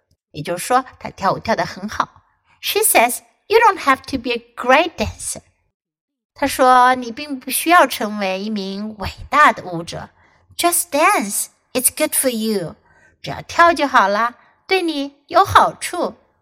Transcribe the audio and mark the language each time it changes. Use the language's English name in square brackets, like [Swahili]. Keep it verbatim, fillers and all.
[Chinese] 也就是说她跳舞跳得很好。 [English] She says, "You don't have to be a great dancer." [Chinese] 她说你并不需要成为一名伟大的舞者。 [English] Just dance, it's good for you. [Chinese] 只要跳就好啦，对你有好处。